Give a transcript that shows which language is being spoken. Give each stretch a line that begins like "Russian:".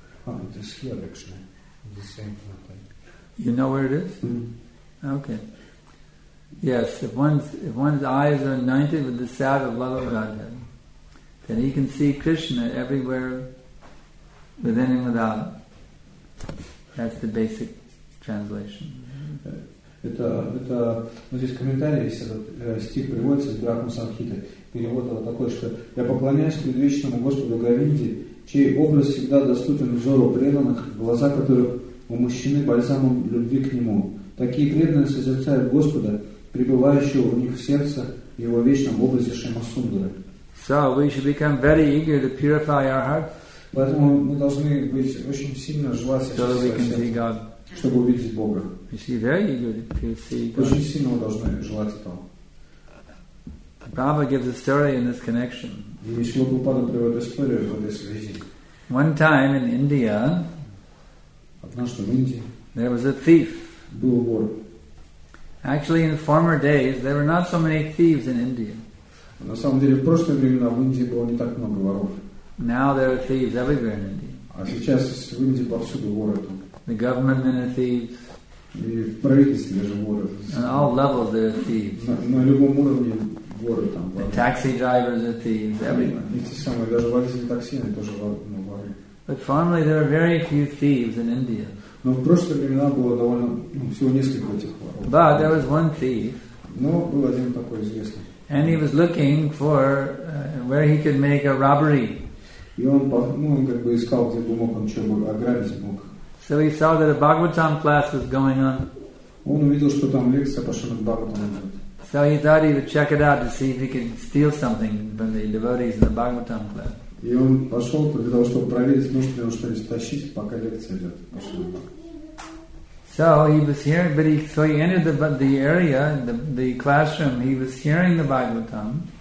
English: Oh, it is here actually. The same thing. You know where it is? Mm-hmm. Okay. Yes, if one's eyes are anointed with the salve of love of Godhead, then he can see Krishna everywhere, within and without. That's the basic translation.
Russian: Это ну, здесь комментарий, если этот стих приводится в Брахма Санхите. Перевод вот такой, что «Я поклоняюсь предвечному Господу Говинде, чей образ всегда доступен взору преданных, глаза которых у мужчины бальзамом любви к нему. Такие преданные созерцают Господа, пребывающего в них в сердце, в его вечном образе Шемасундары.
English: So we should become very eager to purify our hearts.
Russian: Поэтому мы должны быть очень сильно желать сердца, чтобы увидеть Бога.
English: We should be very eager to see God.
Russian: Очень сильно мы должны желать этого.
English: Prabhupada gives a story in this connection.
Russian: И Шрила Прабхупада приводит историю в этой связи.
English: One time in India,
Russian: однажды в Индии,
English: there was a thief.
Russian: Был вор.
English: Actually, in former days, there were not so many thieves in India.
Russian: На самом деле, в прошлые времена в Индии было не так много воров.
English: Now there are thieves everywhere in India.
Russian: А сейчас в Индии повсюду воры.
English: The government and the thieves.
Russian: И в правительстве даже воры.
English: On all levels there are thieves.
Russian: На любом уровне воры там.
English: The taxi drivers are thieves everywhere.
Russian: Эти самые, даже водители такси, они тоже воры.
English: But finally, there are very few thieves in India.
Russian: Но в прошлые времена было довольно, всего несколько этих воров.
English: But there was one thief.
Russian: Но был один такой известный.
English: And he was looking for where he could make a robbery.
Russian: И он, он как бы искал, где бы мог он что ограбить мог.
English: So he saw that a Bhagavatam class was going on.
Russian: Он увидел, что там лекция пошла к Бхагаватам.
English: So he thought he would check it out to see if he could steal something from the devotees in the Bhagavatam class.
Russian: И он пошел для того, чтобы проверить, может ли он что-нибудь тащить, пока лекция идет.
English: So he was hearing, but he entered the area, the classroom. He was hearing the Bhagavatam.